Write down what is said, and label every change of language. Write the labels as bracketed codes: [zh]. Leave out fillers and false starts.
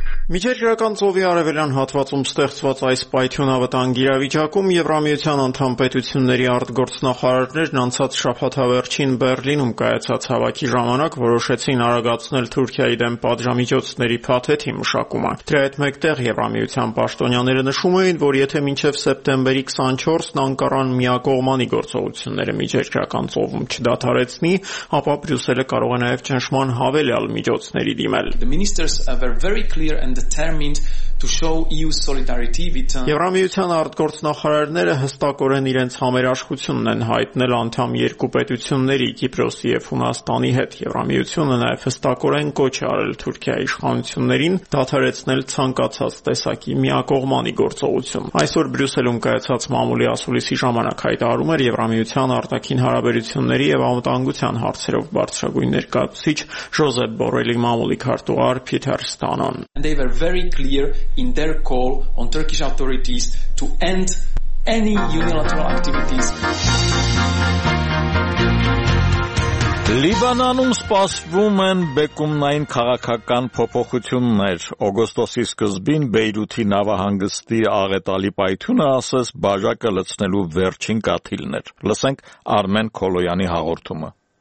[hy] Միջերկրական ծովի արևելյան հատվածում ստեղծված այս պայթյունավտանգ իրավիճակում Եվրամիության անդամ պետությունների արտգործնախարարներն անցած շաբաթավերջին Բեռլինում կայացած հավաքի ժամանակ որոշեցին արագացնել Թուրքիայի դեմ պատժամիջոցների փաթեթի մշակումը։ Դրա հետ մեկտեղ Եվրամիության պաշտոնյաները նշում էին, որ եթե մինչև սեպտեմբերի 24-ն Անկարան միակողմանի գործողությունները միջերկրական ծովում չդադարեցնի, ապա Բրյուսելը կարող է նաև ճնշման հավելյալ միջոցների դիմել։ [en] And determined to show EU solidarity with [hy] Եվրամիության արտգործնախարարները հստակորեն իրենց համերաշխությունն են հայտնել անդամ երկու պետությունների Կիպրոսի եւ Հունաստանի հետ։ Եվրամիությունը նաեւ հստակորեն կոչ է արել Թուրքիայի իշխանություններին դադարեցնել ցանկացած տեսակի միակողմանի գործողություն։ Այսօր Բրյուսելում կայացած մամուլի ասուլիսի ժամանակ հայտարարում էր Եվրամիության արտաքին հարաբերությունների եւ անվտանգության հարցերով բարձրագույն ներկայացուցիչ Ժոզեփ Բորելի մամուլի քարտուղար Փիթեր Ստանոն։ [en] And they were very clear in their call on Turkish authorities to end any unilateral activities. [hy] Լիբանանում սպասվում են բեկումնային քաղաքական փոփոխություններ։ Օգոստոսի սկզբին Բեյրութի նավահանգստի աղետալի պայթյունը ասես բաժակը լցնելու վերջին կաթիլն էր։ Լսենք Արմեն Քոլոյանի հաղորդումը։